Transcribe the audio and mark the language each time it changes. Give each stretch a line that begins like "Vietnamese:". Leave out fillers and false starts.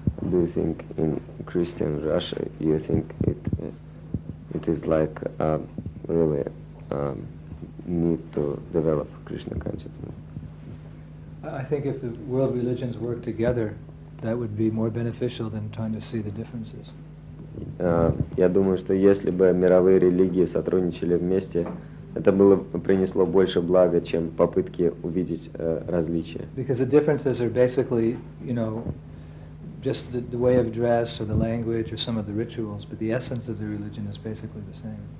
English: Do you think in Christian Russia you think it is like really need to develop Krishna consciousness? I think if the world religions work together, that would be more beneficial than trying to see the differences.
Russian: Я думаю, что если бы мировые религии сотрудничали вместе, это было принесло больше блага, чем попытки увидеть различия.
English: Because the differences are basically, you know, just the way of dress or the language or some of the rituals, but the essence of the religion is basically the same.